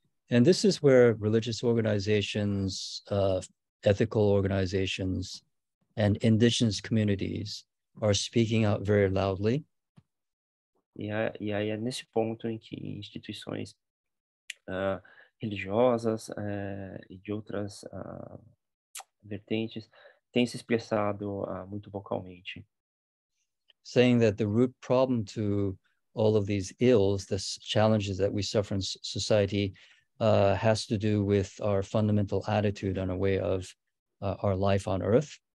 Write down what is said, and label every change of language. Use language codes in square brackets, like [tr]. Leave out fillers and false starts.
[en] And this is where religious organizations, ethical organizations, and indigenous communities are speaking out very loudly. [pt] E aí é nesse ponto em que instituições religiosas e de outras vertentes têm se expressado muito vocalmente. [en] Saying that the root problem to all of these ills, the challenges that we suffer in society, has to do with our fundamental attitude and a way of our life on earth.